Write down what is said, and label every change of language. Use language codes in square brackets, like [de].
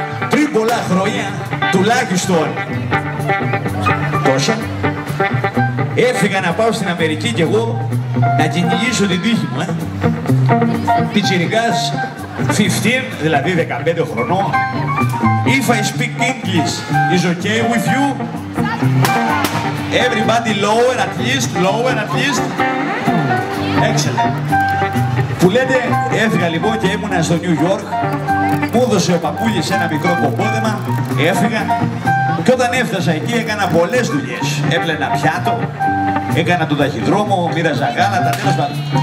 [el] Πριν πολλά χρόνια, τουλάχιστον... Τόσα... Έφυγα να πάω στην Αμερική κι εγώ να κυνηγήσω την τύχη μου, πιτσιρικάς 15, δηλαδή 15 χρονών. [en] If I speak English, is okay with you? Everybody lower at least, lower at least. Excellent. [el] Που λέτε, έφυγα λοιπόν και ήμουνα στο New York. Μου έδωσε ο παππούλης ένα μικρό κομπόδεμα, έφυγα. Και όταν έφτασα εκεί έκανα πολλές δουλειές. Έπλαινα πιάτο, έκανα τον ταχυδρόμο, μοίραζα γάλατα, τέλος πάντων.